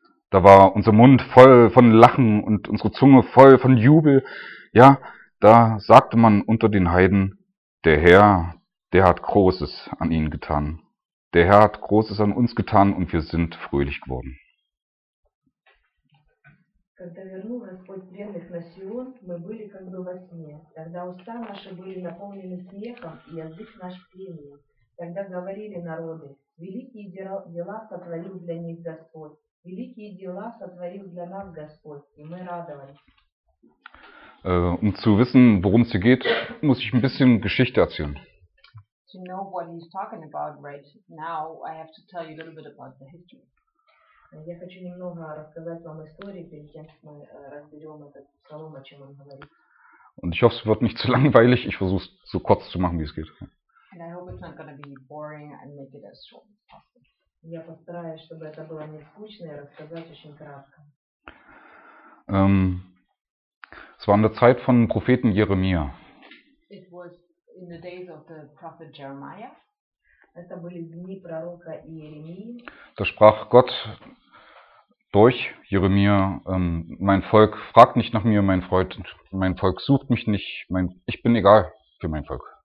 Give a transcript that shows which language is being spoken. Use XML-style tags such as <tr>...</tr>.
<de>Da war unser Mund voll von Lachen und unsere Zunge voll von Jubel. Ja, da sagte man unter den Heiden, der Herr, der hat Großes an ihnen getan. Der Herr hat Großes an uns getan und wir sind fröhlich geworden.</de> <ru>Когда вернул Господь пленных на Сион, мы были как бы во сне. Тогда уста наши были наполнены смехом, и язык наш пением. Тогда говорили народы, великие дела сотворил для них Господь. Великие дела сотворил для нас Господь, и мы радовались.</ru> <de>Um zu wissen, worum es hier geht, muss ich ein bisschen Geschichte erzählen.</de> <en>To know what he's talking about right now, I have to tell you a little bit about the history.</en> <ru>Я хочу немного рассказать вам истории, перед тем, как мы разберем этот псалом, о чем он говорит.</ru> <de>Und ich hoffe, es wird nicht zu langweilig. Ich versuche es so kurz zu machen, wie es geht.</de> <en>And I hope it's not going to be boring and make it as short as possible.</en> <ru>Я постараюсь, чтобы это было не скучно и рассказать очень кратко.</ru> <de>Es war in der Zeit von Propheten Jeremia.</de> <en>It was in the days of the prophet Jeremiah.</en> <ru>Это были дни пророка Иеремии.</ru> <de>Da sprach Gott durch Jeremia, mein Volk fragt nicht nach mir, mein Volk sucht mich nicht, ich bin egal für mein Volk.</de>